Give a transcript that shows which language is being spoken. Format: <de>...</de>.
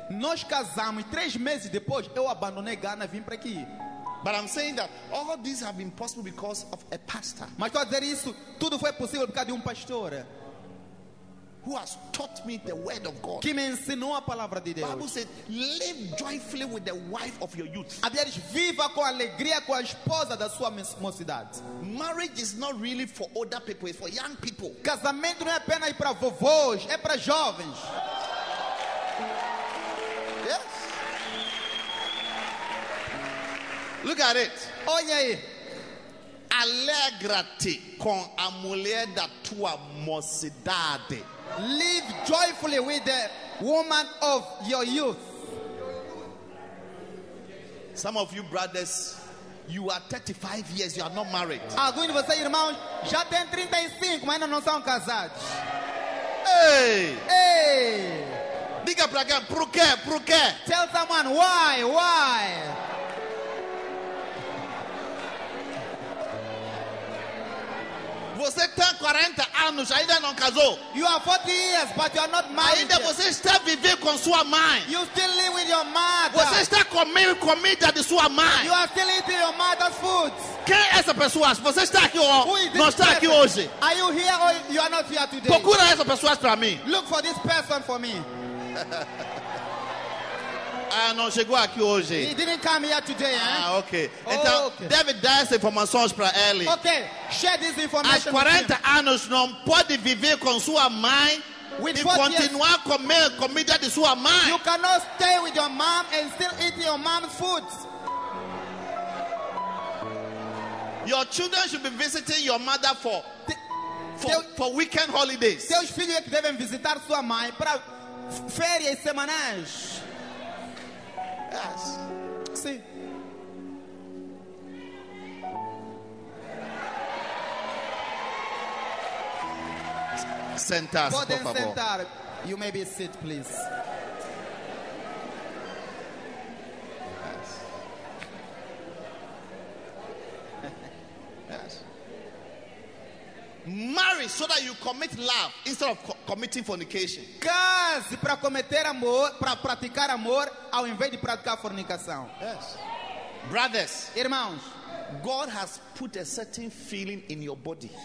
<pt>Nós casamos 3 meses depois eu abandonei Ghana e vim para aqui.</pt> <en>But I'm saying that all this have been possible because of a pastor.</en> <pt>Mas estou a dizer isso, tudo foi possível por causa de pastor.</pt> <en>Who has taught me the word of God?</en> <pt>Que me ensinou a palavra de Deus.</pt> <en>Bible said, live joyfully with the wife of your youth.</en> <pt>A Bíblia diz, viva com alegria com a esposa da sua mocidade.</pt> <en>Marriage is not really for older people, it's for young people.</en> <pt>Casamento não é apenas para vovôs, é para jovens.</pt> <en>Yes. Look at it.</en> <pt>Olha aí. Alegra-te com a mulher da tua mocidade.</pt> <en>Live joyfully with the woman of your youth. Some of you brothers, you are 35 years, you are not married.</en> <pt>Alguns de vocês irmãos já tem 35, mas ainda não são casados. Hey! Hey! Diga para quem? Por quê? Por quê?</pt> <en>Tell someone why? Why?</en> <pt>Você tem 40 anos, ainda não casou.</pt> <en>You are 40 years, but you are not married.</en> <pt>Ainda você está vivendo com sua mãe.</pt> <en>You still live with your mother.</en> <pt>Você está comendo comida de sua mãe.</pt> <en>You are still eating your mother's food.</en> <pt>Quem é essa pessoa? Você está aqui ou não está aqui hoje?</pt> <en>Are you here or you are not here today?</en> <pt>Procura essa pessoa para mim.</pt> <en>Look for this person for me.</en> <pt>Ah, não chegou aqui hoje.</pt> <en>He didn't come here today, ah, eh?</en> <pt>Okay. Então, oh, okay. David dá essa informação para ele.</pt> <en>Okay, share this information.</en> <pt>Às 40 anos não pode viver com sua mãe.</pt> <en>With</en> <pt>e continuar comer comida de sua mãe.</pt> <en>You cannot stay with your mom and still eat your mom's food. Your children should be visiting your mother for weekend holidays.</en> <pt>Seus filhos devem visitar sua mãe para férias semanais.</pt> <en>Yes.</en> <pt>Sim. Sentar, por favor. Podem sentar.</pt> <en>You may be seated, please. Yes. Yes. Marry so that you commit love instead of committing fornication.</en> <pt>Case para cometer amor, para praticar amor ao invés de praticar fornicação.</pt> <en>Yes. Brothers,</en> <pt>irmãos,</pt> <en>God has put a certain feeling in your body.</en>